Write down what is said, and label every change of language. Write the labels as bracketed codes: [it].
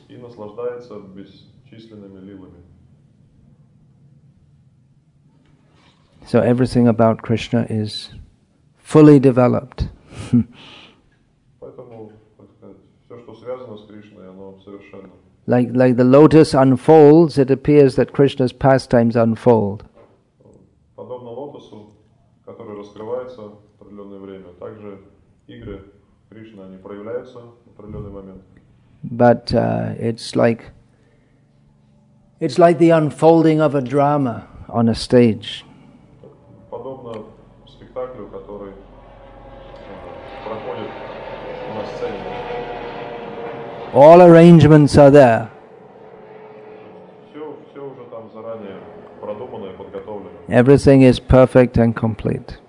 [ru] И наслаждается бесчисленными лилами. [en] So everything about Krishna is fully developed. [ru] Поэтому, так сказать, все, что связано с Кришной, оно совершенно. [en] Like the lotus unfolds, it appears that Krishna's pastimes unfold. [ru] Подобно лотосу, который раскрывается в определенное время, также игры Кришны, они проявляются в определенный момент. [en] But it's like the unfolding of a drama on a stage. [ru] Подобно спектаклю, который проходит на сцене. [en] All arrangements are there. [ru] Все уже там заранее продумано и подготовлено. [en] Everything is perfect and complete.